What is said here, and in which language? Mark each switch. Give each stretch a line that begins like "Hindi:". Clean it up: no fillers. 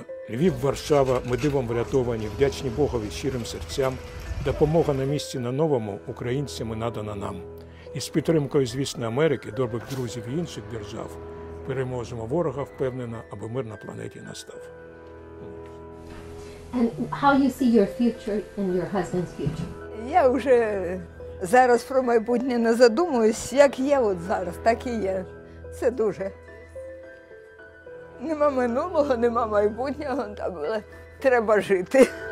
Ukrainian: Львів, Варшава, ми дивом врятовані, вдячні Богові щирим серцям. Допомога на місці на новому українцями надана нам. І з підтримкою, звісно, Америки, добрих друзів і інших держав, переможемо ворога впевнено, аби мир на планеті настав.
English: And how you see your future and your husband's future?
Ukrainian: Я вже зараз про майбутнє не задумуюсь, як є от зараз, так і є. Це дуже. Нема минулого, нема майбутнього, там але треба жити.